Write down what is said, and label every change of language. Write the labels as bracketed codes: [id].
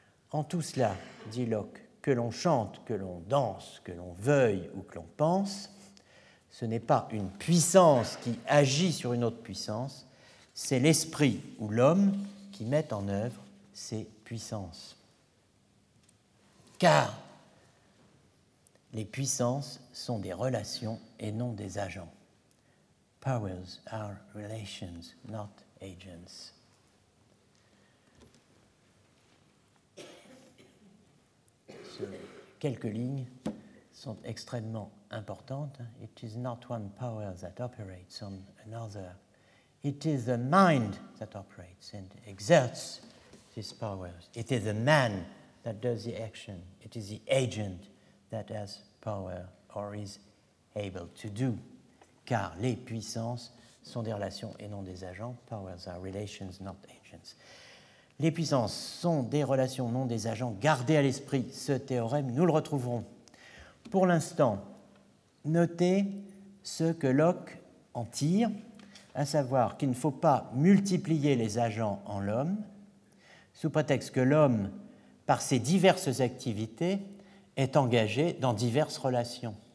[fr] En tout cela, dit Locke, que l'on chante, que l'on danse, que l'on veuille ou que l'on pense, ce n'est pas une puissance qui agit sur une autre puissance, c'est l'esprit ou l'homme qui met en œuvre ces puissances. Car les puissances sont des relations et non des agents. [en] Powers are relations, not agents. [fr] Quelques lignes sont extrêmement importantes. [en] It is not one power that operates on another. It is the mind that operates and exerts these powers. It is the man that does the action. It is the agent that has power or is able to do. [fr] Car les puissances sont des relations et non des agents. [en] Powers are relations, not agents. [fr] Les puissances sont des relations, non des agents. Gardez à l'esprit ce théorème, nous le retrouverons. Pour l'instant, notez ce que Locke en tire, à savoir qu'il ne faut pas multiplier les agents en l'homme, sous prétexte que l'homme, par ses diverses activités, est engagé dans diverses relations.